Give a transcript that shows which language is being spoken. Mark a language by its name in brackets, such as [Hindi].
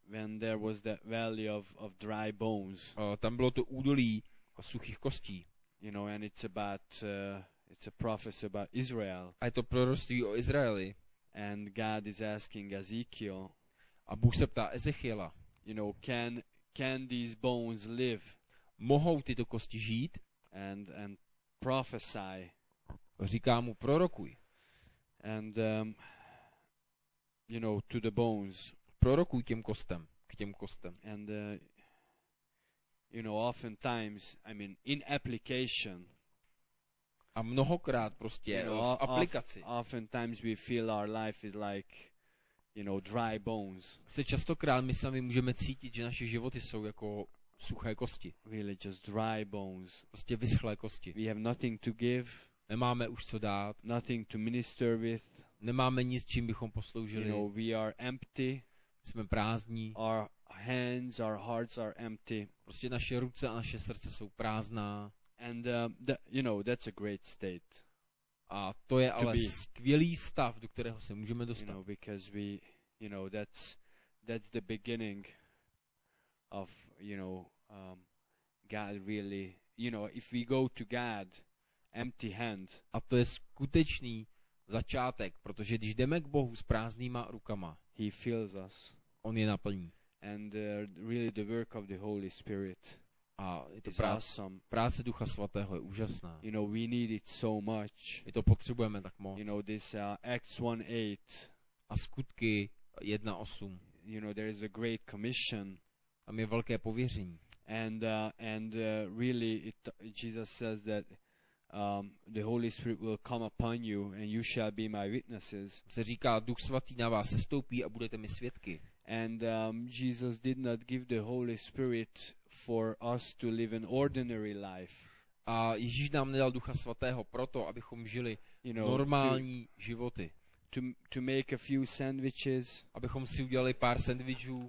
[English] when there was the valley of dry bones, [Czech] tam bylo to údolí suchých kostí, [English] you know, and it's about it's a prophecy about Israel, [Czech] a je to proroctví o Izraeli, [English] and God is asking Ezekiel, [Czech] a Bůh se ptá Ezechiela, [English] you know, can these bones live, [Czech] mohou tyto kosti žít, [English] and prophesy, [Czech] říká mu, prorokuj. [English] And you know, to the bones, [Czech] prorokuj těm kostem, k těm kostem. [English] And you know, often times, I mean, in application, [Czech] a mnohokrát prostě, [English] you know, [Czech] v aplikaci, [English] often times we feel our life is like, you know, dry bones, [Czech] se častokrát my sami můžeme cítit, že naše životy jsou jako suché kosti, [English] really just dry bones, [Czech] prostě vyschlé kosti. [English] We have nothing to give. [Czech] Nemáme už co dát. [English] Nothing to minister with. [Czech] Nemáme nic, čím bychom posloužili. [English] You know, we are empty. [Czech] Jsme prázdní. [English] Our hands, our hearts are empty. [Czech] Prostě naše ruce a naše srdce jsou prázdná. [English] And you know, that's a great state. [Czech] A to je ale skvělý stav, do kterého se můžeme dostat. [English] You know, because we, you know, that's the beginning of, you know, God really, you know, if we go to God empty hand. [Czech] A to je skutečný začátek, protože když jdeme k Bohu s prázdnýma rukama, [English] he fills us. [Czech] On je naplní. [English] And really the work of the Holy Spirit. [Czech] A je to práce Ducha Svatého je úžasná. [English] You know, we need it so much. [Czech] My to potřebujeme tak moc. [English] You know, this Acts 1:8. [Czech] A skutky 1:8. [English] You know, there is a great commission. [Czech] Tam je velké pověření. [English] And really it, Jesus says that the Holy Spirit will come upon you and you shall be my witnesses. [Czech] Se říká, Duch Svatý na vás sestoupí a budete mi svědky. [English] And Jesus did not give the Holy Spirit for us to live an ordinary life. [Czech] A Ježíš nám nedal Ducha Svatého proto, abychom žili, [English] you know, [Czech] normální životy. [English] To make a few sandwiches. [Czech] Abychom si udělali pár sandwichů.